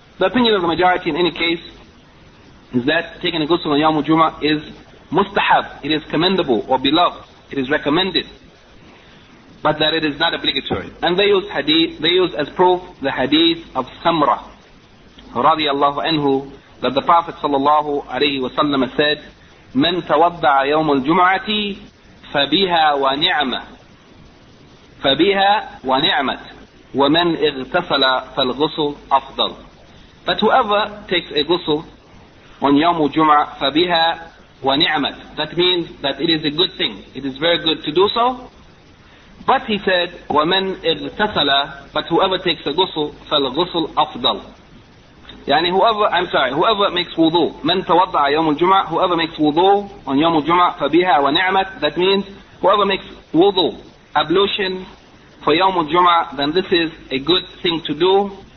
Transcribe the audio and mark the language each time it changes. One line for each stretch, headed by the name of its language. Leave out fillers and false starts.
English: The opinion of the majority in any case is that taking a ghusl on Yawm al-Jum'ah is mustahab, it is commendable or beloved, it is recommended, but that it is not obligatory. And they use hadith, they use as proof the hadith of Samra radiallahu anhu, that the Prophet sallallahu alayhi wa sallam said,
Arabic: من توضع يوم الجمعة فبها ونعمة فبها ونعمة ومن اغتسل فالغسل أفضل.
English: But whoever takes a ghusl on يوم الجمعة
Arabic: فبها ونعمة,
English: that means that it is a good thing, it is very good to do so. But he said
Arabic: ومن اغتسل,
English: but whoever takes a ghusl
Arabic: فالغسل أفضل,
English: يعني whoever, I'm sorry, whoever makes wudu,
Arabic: من توضع يوم الجمعة,
English: whoever makes wudu on يوم الجمعة
Arabic: فبها ونعمة,
English: that means whoever makes wudu, ablution for يوم الجمعة, then this is a good thing to do.